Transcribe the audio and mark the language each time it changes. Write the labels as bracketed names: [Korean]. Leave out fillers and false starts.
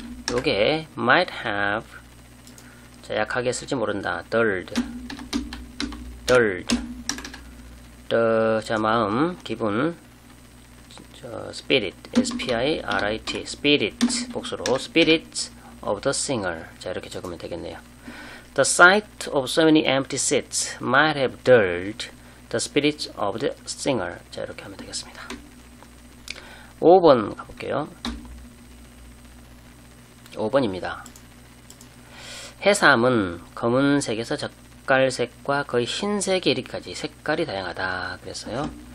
[Korean] 요게 [English] might have, [Korean] 자, 약하게 했을지 모른다, dulled, 자, 마음, 기분, spirit, S-P-I-R-I-T, spirit, 복수로 [English] spirit of the singer. [Korean] 자, 이렇게 적으면 되겠네요. [English] The sight of so many empty seats might have dulled the spirit of the singer. [Korean] 자, 이렇게 하면 되겠습니다. 5번 가볼게요. 5번입니다. 해삼은 검은색에서 적갈색과 거의 흰색에 이르기까지 색깔이 다양하다 그랬어요.